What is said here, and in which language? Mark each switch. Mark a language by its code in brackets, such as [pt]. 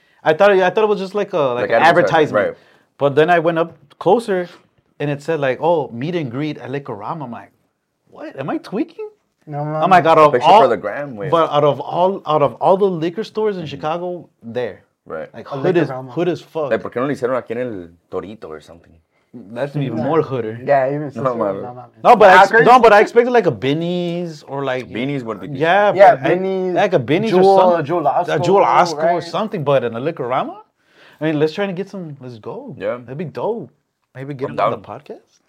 [en] I thought it was just like an advertisement. Right. But then I went up closer, and it said, like, meet and greet at Liquorama. I'm like, what? Am I tweaking? No. I'm like, for the gram, wait. But out of all the liquor stores in mm-hmm. Chicago, there. Right. Like, hood as fuck. [es] ¿Por qué no le hicieron aquí en el Torito [en] or something? That's even more hooder. Yeah, even so. No, but I expected like a Binnie's or like Binnie's. What? Yeah, Binnie's. Like a Binnie's Jewel, or something. A Jewel Osco, or something. But in a Liquorama, I mean, let's try to get some. Let's go. Yeah. That'd be dope. Maybe get him on the podcast.